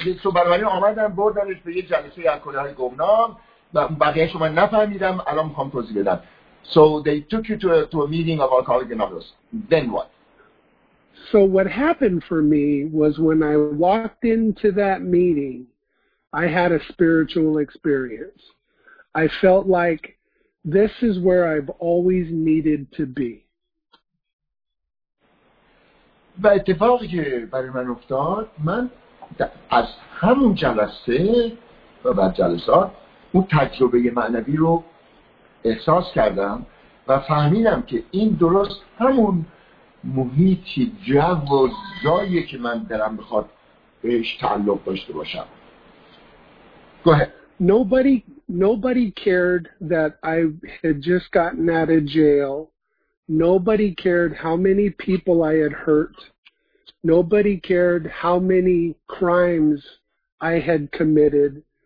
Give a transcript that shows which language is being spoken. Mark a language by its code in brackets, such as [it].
[fa] So بنابراین آمدن بردنش به یه جلسه الکلیه گمنام و بقیهش رو من نفهمیدم. الان میخوام توضیح بدم. [en] So they took you to a meeting of Alcoholics Anonymous. Then what? So what happened for me was when I walked into that meeting, I had a spiritual experience. I felt like this is where I've always needed to be. [fa] و اتفاقی که برای من افتاد، من از همون جلسه و بعد جلسات اون تجربه معنوی رو احساس کردم و فهمیدم که این درست همون محیطی جو و زایی که من دارم بخواد بهش تعلق داشته باشم. [en] Go ahead. Nobody cared that I had just gotten out of jail. Nobody cared how many people I had hurt. Nobody cared how many crimes I had committed.